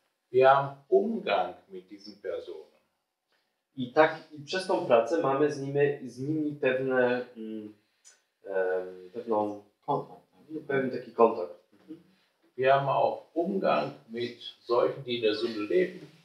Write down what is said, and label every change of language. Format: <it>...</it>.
<de>Wir haben Umgang mit diesen Personen.</de> <pl>I tak i przez tą pracę mamy z nimi pewne taki kontakt.</pl> <de>Wir haben auch Umgang mit solchen, die in der Sünde leben.</de>